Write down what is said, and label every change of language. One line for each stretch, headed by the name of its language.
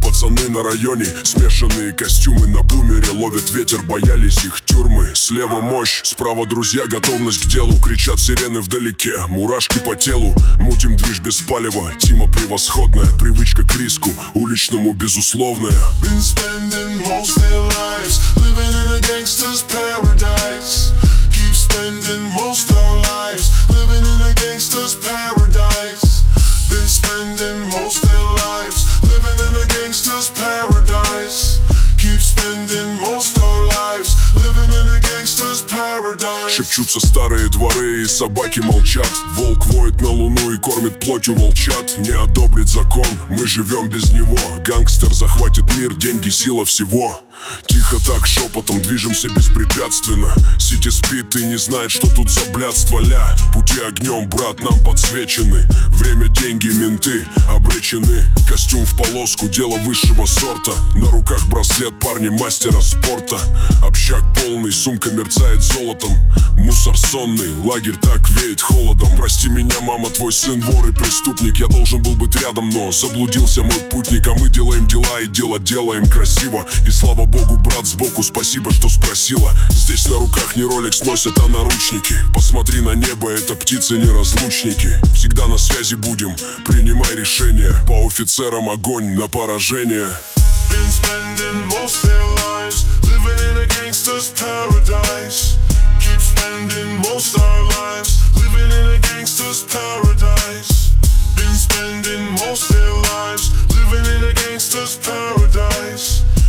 Russian: Пацаны на районе, смешанные костюмы. На бумере ловят ветер, боялись их тюрьмы. Слева мощь, справа друзья, готовность к делу. Кричат сирены вдалеке, мурашки по телу. Мутим движ без палева, тима превосходная. Привычка к риску, уличному безусловная.
English: Been spending most their lives living in a gangster's paradise. Keep spending most our lives living in a gangster's paradise. Been spending most their lives living in a gangster's paradise. Keep spending most our lives living in a gangster's paradise.
Russian: Шепчутся старые дворы и собаки молчат. Волк воет на луну и кормит плотью волчат. Не одобрит закон, мы живем без него. Гангстер захватит мир, деньги, сила всего. Тихо так, шепотом, движемся беспрепятственно. Сити спит и не знает, что тут за блядство. Ля, пути огнем, брат, нам подсвечены. Время, деньги, менты обречены. Костюм в полоску, дело высшего сорта. На руках браслет, парни мастера спорта. Общак полный, сумка мерцает золотом. Мусор сонный, лагерь так веет холодом. Прости меня, мама, твой сын вор и преступник. Я должен был быть рядом, но заблудился мой путник. А мы делаем дела и дело делаем красиво. И слава Богу, брат, сбоку спасибо, что спросила. Здесь на руках не Ролекс носят, а наручники. Посмотри на небо, это птицы неразлучники. Всегда на связи будем, принимай решение. По офицерам огонь на поражение.
English: Been spending most their lives living in a gangster's paradise. Keep spending most our lives living in a gangster's paradise. Been spending most their lives living in a gangster's paradise.